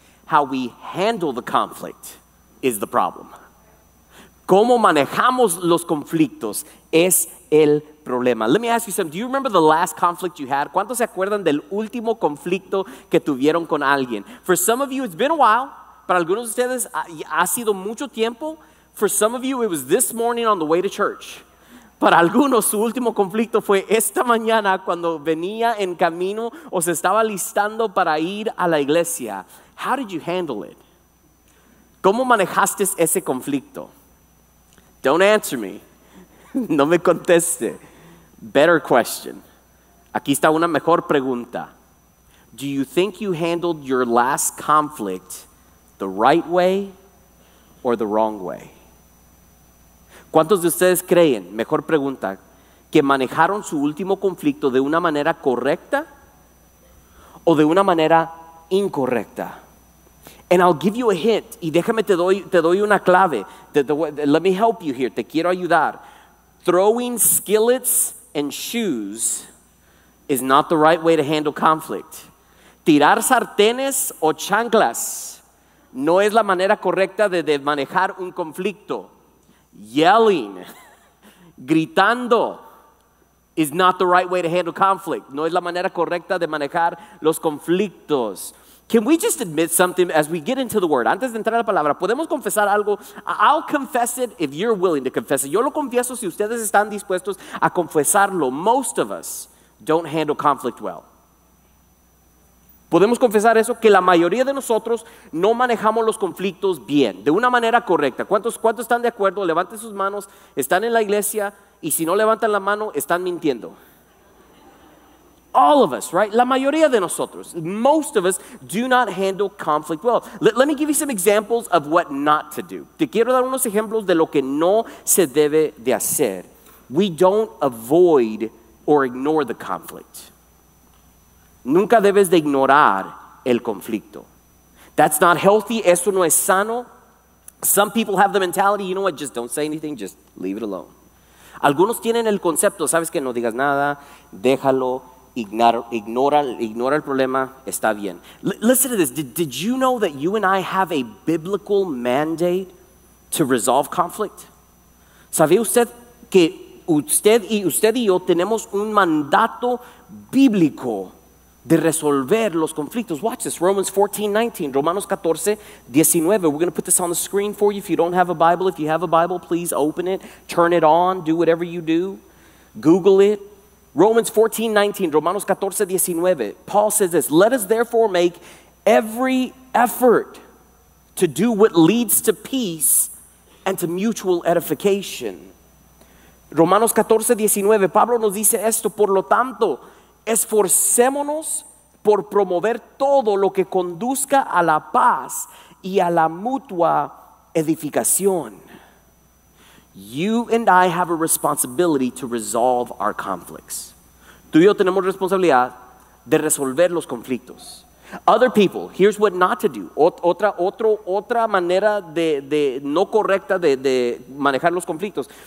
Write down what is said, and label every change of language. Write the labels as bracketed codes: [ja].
[en] How we handle the conflict is the problem. [es] Cómo manejamos los conflictos es el problema. [en] Let me ask you something. Do you remember the last conflict you had? [es] ¿Cuántos se acuerdan del último conflicto que tuvieron con alguien? [en] For some of you, it's been a while. [es] Para algunos de ustedes, ha sido mucho tiempo. [en] For some of you, it was this morning on the way to church. [es] Para algunos, su último conflicto fue esta mañana cuando venía en camino o se estaba listando para ir a la iglesia. [en] How did you handle it? [es] ¿Cómo manejaste ese conflicto? [en] Don't answer me. [es] No me conteste. [en] Better question. [es] Aquí está una mejor pregunta. [en] Do you think you handled your last conflict the right way or the wrong way? [es] ¿Cuántos de ustedes creen, mejor pregunta, que manejaron su último conflicto de una manera correcta o de una manera incorrecta? [en] And I'll give you a hint. [es] Y déjame te doy una clave. [en] Let me help you here. [es] Te quiero ayudar. [en] Throwing skillets and shoes is not the right way to handle conflict. [es] Tirar sartenes o chanclas no es la manera correcta de manejar un conflicto. [en] Yelling, [es] gritando, [en] is not the right way to handle conflict. [es] No es la manera correcta de manejar los conflictos. [en] Can we just admit something as we get into the word? [es] Antes de entrar a la palabra, ¿podemos confesar algo? [en] I'll confess it if you're willing to confess it. [es] Yo lo confieso si ustedes están dispuestos a confesarlo. [en] Most of us don't handle conflict well. [es] ¿Podemos confesar eso? Que la mayoría de nosotros no manejamos los conflictos bien, de una manera correcta. ¿Cuántos están de acuerdo? Levanten sus manos. Están en la iglesia y si no levantan la mano, están mintiendo. [en] All of us, right? [es] La mayoría de nosotros, [en] most of us, do not handle conflict well. Let me give you some examples of what not to do. [es] Te quiero dar unos ejemplos de lo que no se debe de hacer. [en] We don't avoid or ignore the conflict. [es] Nunca debes de ignorar el conflicto. [en] That's not healthy. [es] Eso no es sano. [en] Some people have the mentality, you know what, just don't say anything. Just leave it alone. [es] Algunos tienen el concepto, sabes que no digas nada, déjalo. Ignora el problema, está bien. [en] Listen to this. Did you know that you and I have a biblical mandate to resolve conflict? [es] ¿Sabía usted que usted y yo tenemos un mandato bíblico de resolver los conflictos? [en] Watch this. Romans 14:19. Romanos 14:19. We're going to put this on the screen for you. If you don't have a Bible, if you have a Bible, please open it, turn it on, do whatever you do, Google it. Romans 14:19, Romanos 14:19, Paul says this, let us therefore make every effort to do what leads to peace and to mutual edification. [es] Romanos 14:19, Pablo nos dice esto, por lo tanto, esforcémonos por promover todo lo que conduzca a la paz y a la mutua edificación. [en] You and I have a responsibility to resolve our conflicts. [es] Tú y yo tenemos responsabilidad de resolver los conflictos. [en] Other people, here's what not to do. [es] Otra manera de no correcta de manejar los conflictos.